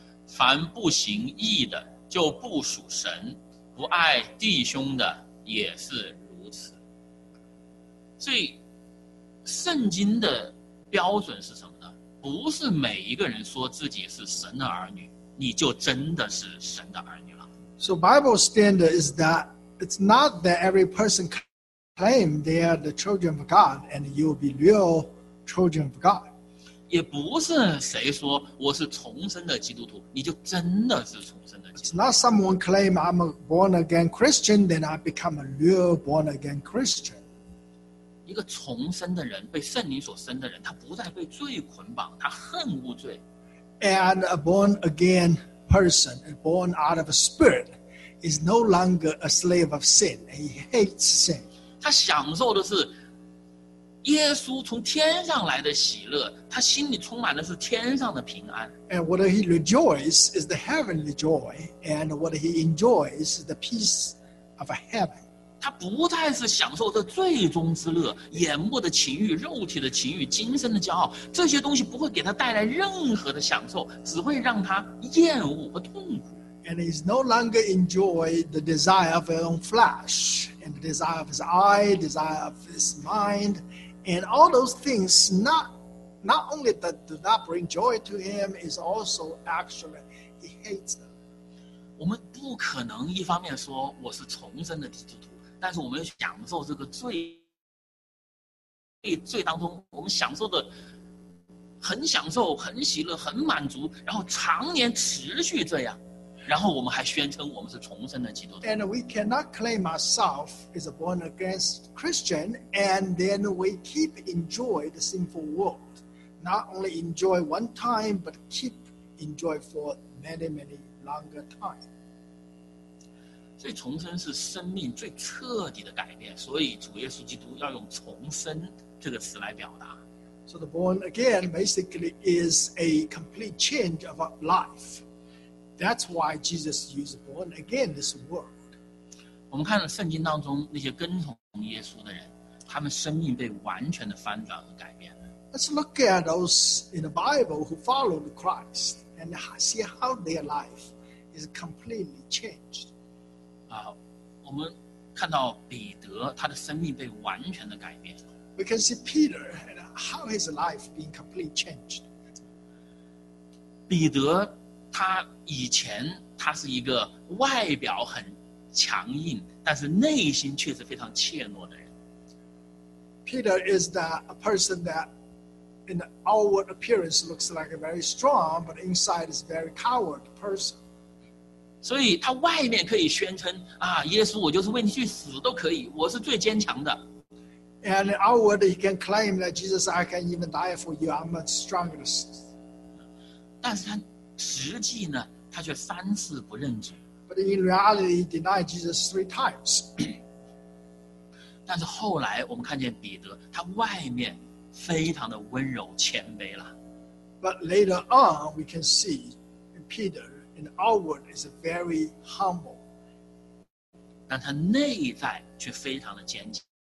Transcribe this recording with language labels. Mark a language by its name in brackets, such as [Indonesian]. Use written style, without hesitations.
[Chinese] 凡不行义的，就不属神；不爱弟兄的，也是如此。所以，圣经的标准是什么呢？不是每一个人说自己是神的儿女，你就真的是神的儿女了。 [English] So Bible standard is that it's not that every person claim they are the children of God and you will be real children of God. [Chinese] 也不是谁说我是重生的基督徒，你就真的是重生的基督徒。 [English] It's not someone claim I'm a born again Christian, then I become a real born again Christian. [Chinese] 一个重生的人，被圣灵所生的人，他不再被罪捆绑，他恨恶罪。 [English] And a born again person, born out of a spirit, is no longer a slave of sin. He hates sin. [Chinese] 他享受的是耶稣从天上来的喜乐，他心里充满的是天上的平安。 [English] And what he rejoices is the heavenly joy, and what he enjoys is the peace of heaven. [Chinese] 他不再是享受这最终之乐，眼目的情欲、肉体的情欲、今生的骄傲，这些东西不会给他带来任何的享受，只会让他厌恶和痛苦。 [English] And he's no longer enjoy the desire of his own flesh, and the desire of his eye, desire of his mind, and all those things. Not only that do not bring joy to him, is also actually he hates them. [Chinese] 我们不可能一方面说我是重生的基督徒。但是我们要享受这个罪当中，我们享受的很享受、很喜乐、很满足，然后常年持续这样，然后我们还宣称我们是重生的基督徒。 [English] And we cannot claim ourselves is a born again Christian, and then we keep enjoy the sinful world, not only enjoy one time, but keep enjoy for many, many longer time. [Chinese] 所以重生是生命最彻底的改变，所以主耶稣基督要用重生这个词来表达。 [English] So the born again basically is a complete change of life. That's why Jesus used born again this word. [Chinese] 我们看到圣经当中那些跟从耶稣的人，他们生命被完全的翻转和改变了。 [English] Let's look at those in the Bible who followed Christ and see how their life is completely changed. [Chinese] 我们看到彼得他的生命被完全的改变。 [English] We can see Peter and how his life been completely changed. [Chinese] 彼得他以前他是一个外表很强硬，但是内心却是非常怯懦的人。 [English] Peter is a person that in the outward appearance looks like a very strong, but inside is a very coward person. [Chinese] 所以他外面可以宣称啊，耶稣，我就是为你去死都可以，我是最坚强的。 [English] And outward he can claim that Jesus, I can even die for you, I'm the strongest. [Chinese] 但是他实际呢，他却三次不认主。 [English] But in reality, he denied Jesus three times. [Chinese] 但是后来我们看见彼得，他外面非常的温柔谦卑了。 [English] But later on, we can see Peter in outward is very humble. [Chinese] 但他内在却非常的坚强。